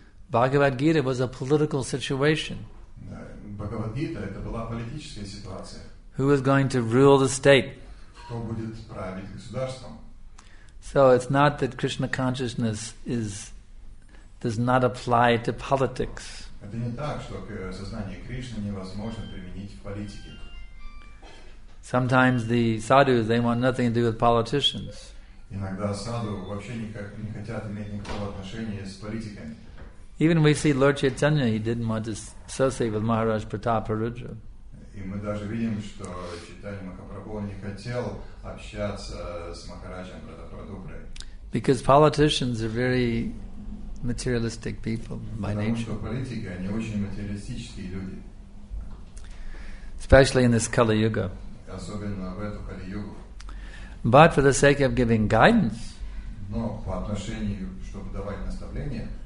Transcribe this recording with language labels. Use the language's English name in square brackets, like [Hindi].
[English] Bhagavad Gita was a political situation. [Russian] Бхагавад-гита это была политическая ситуация. [English] Who is going to rule the state? [Russian] Кто будет править государством? [English] So it's not that Krishna consciousness does not apply to politics. [Russian] Это не так, что сознание Кришны невозможно применить в политике. [English] Sometimes the sadhus they want nothing to do with politicians. [Russian] Иногда саду вообще никак не хотят иметь никакого отношения с политиками. [English] Even we see Lord Chaitanya, he didn't want to associate with Maharaj Pratap Rudra. [Russian] И мы даже видим, что Чайтанья Махапрабху не хотел общаться с Махараджем Пратапрадупрой. [English] Because politicians are very materialistic people by nature. [Russian] Потому что политики, они очень материалистические люди. [English] Especially in this Kali Yuga. [Russian] Особенно в эту Кали Югу. [English] But for the sake of giving guidance. [Russian] Но по отношению, чтобы давать наставления.